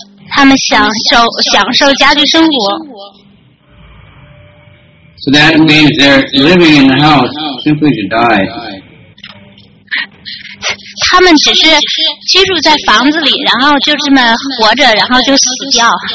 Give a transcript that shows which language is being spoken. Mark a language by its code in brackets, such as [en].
[zh] 他们享受享受家居生活。 [en] So that means they're living in the house simply to die. [zh] 他们只是居住在房子里，然后就这么活着，然后就死掉。